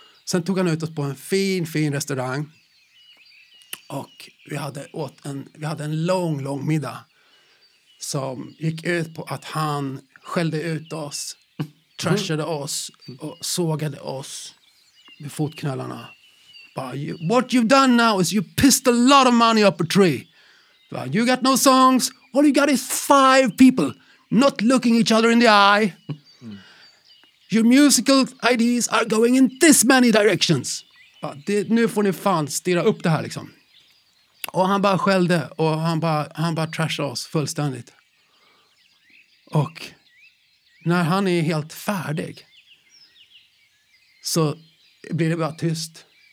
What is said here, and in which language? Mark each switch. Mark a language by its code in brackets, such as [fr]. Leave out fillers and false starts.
[sv] Sen tog han ut oss på en fin restaurang, och vi hade en lång lång middag som gick ut på att han skällde ut oss, trashade oss och sågade oss med fotknölarna. [en] What you've done now is you pissed a lot of money up a tree. You got no songs. All you got is 5 people not looking each other in the eye. Your musical ideas are going in this many directions. [sv] Nu får ni fan stirra upp det här liksom. Och han bara skällde, och han bara trashade oss fullständigt. Och när han är helt färdig så blir det bara tyst.